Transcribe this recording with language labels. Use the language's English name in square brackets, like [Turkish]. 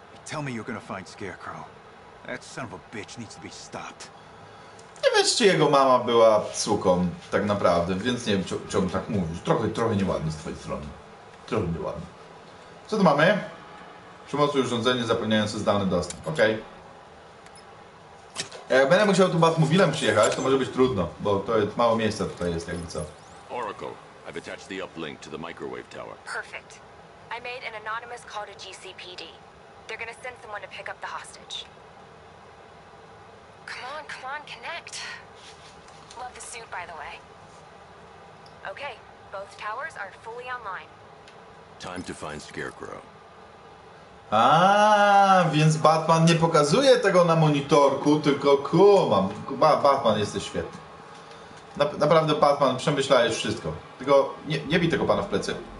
[English] Tell me you're gonna find Scarecrow. That son of a bitch needs to be stopped. [Polish] Nie wiesz, czy jego mama była suką, tak naprawdę, więc nie wiem, czy on tak mówił. Trochę nieładnie z twojej strony. Trochę nieładnie. Co tu mamy? Przymocuj urządzenie zapewniające zdalny dostęp. Okej. Okay. Jak będę musiał tu Batmobilem przyjechać, to może być trudno, bo to jest mało miejsca tutaj jest, jakby co. [English] Oracle, I've attached the uplink to the microwave tower. Perfect. I made an anonymous call to GCPD. They're gonna send someone to pick up the hostage. Come on, connect. Love the suit, by the way. Okay, both towers are fully online. Time to find Scarecrow. [Polish] A, więc Batman nie pokazuje tego na monitorku, tylko kumam. Batman, jesteś świetny. Naprawdę Batman, przemyślałeś wszystko. Tylko nie bij tego pana w plecy.